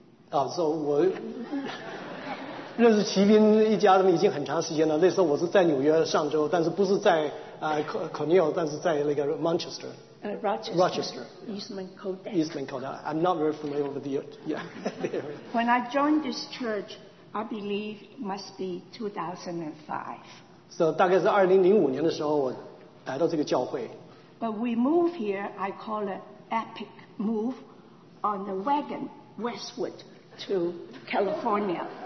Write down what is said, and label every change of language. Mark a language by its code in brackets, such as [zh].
[zh] Oh, so 我认识齐斌一家人已经很长时间了。那时候我是在纽约上州，但是不是在Corning， 但是在那个 Manchester。 [en] Rochester. Eastman Kodak. Eastman Kodak. I'm not very familiar with the area. When I joined this church, I believe it must be 2005. [zh] So, 大概是2005年的时候，我来到这个教会。 [en] But we move here, I call it epic move, on the wagon westward to California.